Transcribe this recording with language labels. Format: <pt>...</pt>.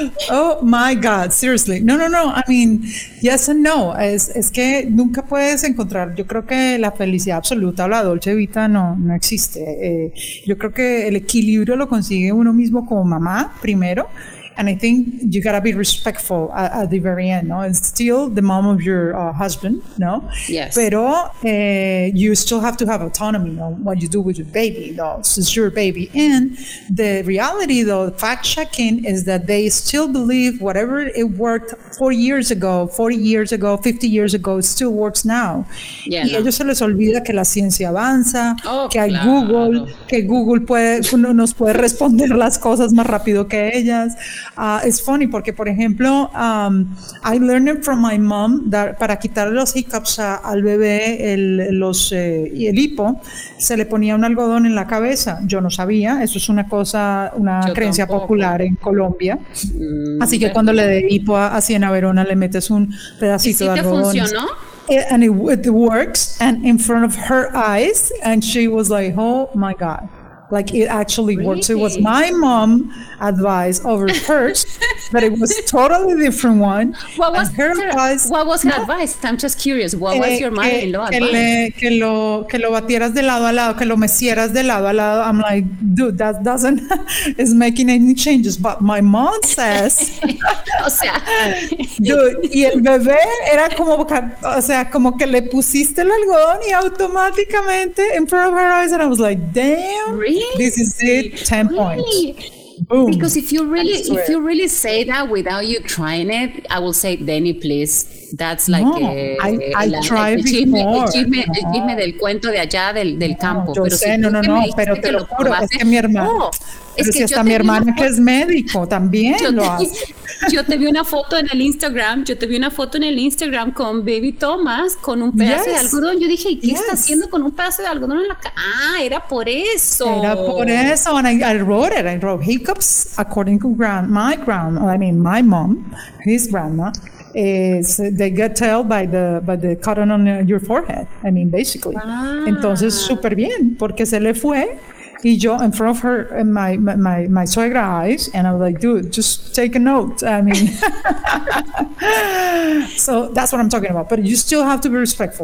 <en>Oh my God, seriously. No. I mean, yes and no.</en> <es>Es que nunca puedes encontrar. Yo creo que la felicidad absoluta o la dolce vita no existe. Yo creo que el equilibrio lo consigue uno mismo como mamá primero.</es> <en>And I think you gotta be respectful at the very end, no? It's still the mom of your husband, no? Yes.</en> <es>Pero</es> <en>you still have to have autonomy on what you do with your baby, though, since your baby. And the reality, though, fact checking, is that they still believe whatever it worked 4 years ago, 40 years ago, 50 years ago, it still works now.</en> <es>Yeah, y no. Ellos se les olvida que la ciencia avanza, Google, que Google nos puede responder las cosas más rápido que ellas.</es> <en>It's funny</en> <es>porque, por ejemplo,</es> <en>I learned it from my mom that</en> <es>para quitar los hiccups al bebé, el hipo, se le ponía un algodón en la cabeza. Yo no sabía, eso es una cosa, una Yo creencia tampoco. Popular en Colombia. Así que cuando le dé hipo a Siena Verona, le metes un pedacito de algodón. ¿Y si te funcionó?</es> <en>And it works, and in front of her eyes, and she was like, oh my God. Like it actually works. It was my mom advice over hers. but it was a totally different one. What was her advice? What was her advice? I'm just curious. What was your mother-in-law advice?</en> <es>Que lo batieras de lado a lado, que lo mecieras de lado a lado.</es> <en>I'm like, dude, that doesn't is making any changes. But my mom says,</en> <es>o sea, dude, y el bebé era como, o sea, como que le pusiste el algodón y automáticamente</es> <en>in front of her eyes, and I was like, damn, really? This is it, 10 points. Boom. Because if you really say that without you trying it, I will say, Denny, please. That's like I tried before.</en> <es>Del cuento de allá del campo. Yo sé, no, pero te lo juro, es que mi hermano. Pero si está mi hermana que es médico también lo hace. Yo te vi una foto en el Instagram. Yo te vi una foto en el Instagram con Baby Thomas con un pedazo de algodón. Yo dije, ¿y qué está haciendo con un pedazo de algodón en la cara? Ah, era por eso. Era por eso.</es> <en>And I wrote hiccups according to my mom, his grandma. Is they get tell by the cotton on your forehead. I mean, basically. Ah.</en> <es>Entonces, super bien, porque se le fue. Y yo,</es> <en>in front of her, my suegra eyes, and I was like, dude, just take a note. I mean, so that's what I'm talking about. But you still have to be respectful.</en>